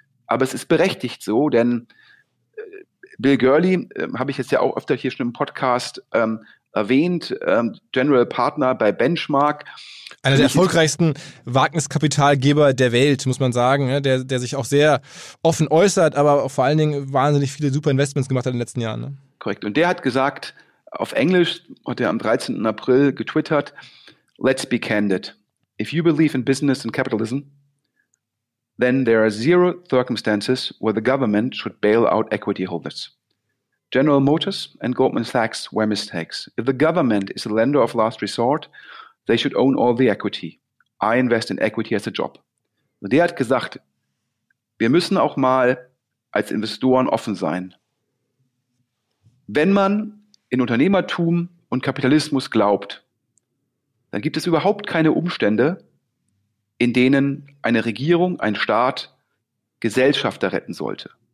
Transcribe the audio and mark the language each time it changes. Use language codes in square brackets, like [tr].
[de] Aber es ist berechtigt so, denn Bill Gurley, habe ich jetzt ja auch öfter hier schon im Podcast erwähnt, General Partner bei Benchmark. Einer der erfolgreichsten Wagniskapitalgeber der Welt, muss man sagen, der sich auch sehr offen äußert, aber vor allen Dingen wahnsinnig viele super Investments gemacht hat in den letzten Jahren. Korrekt. Und der hat gesagt, auf Englisch, hat er am 13. April getwittert, [en] "Let's be candid. If you believe in business and capitalism, then there are zero circumstances where the government should bail out equity holders. General Motors and Goldman Sachs were mistakes. If the government is a lender of last resort, they should own all the equity. I invest in equity as a job." [de] Und der hat gesagt, wir müssen auch mal als Investoren offen sein. Wenn man in Unternehmertum und Kapitalismus glaubt, dann gibt es überhaupt keine Umstände, in denen eine Regierung, ein Staat Gesellschafter retten sollte.